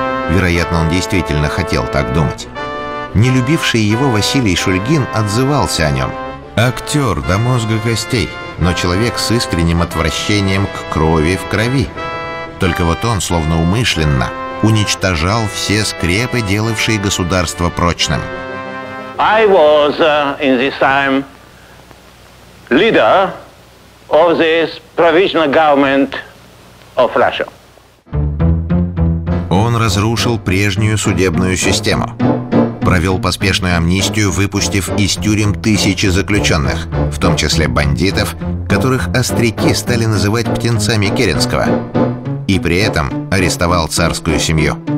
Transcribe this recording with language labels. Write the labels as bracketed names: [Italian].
[Russian] Вероятно, он действительно хотел так думать. Нелюбивший его Василий Шульгин отзывался о нем: «Актер до мозга костей, но человек с искренним отвращением к крови в крови. Только вот он, словно умышленно, уничтожал все скрепы, делавшие государство прочным». [English] I was in this time leader of this provisional government of Russia. [Russian] Он разрушил прежнюю судебную систему. Провел поспешную амнистию, выпустив из тюрем тысячи заключенных, в том числе бандитов, которых остряки стали называть птенцами Керенского. И при этом арестовал царскую семью.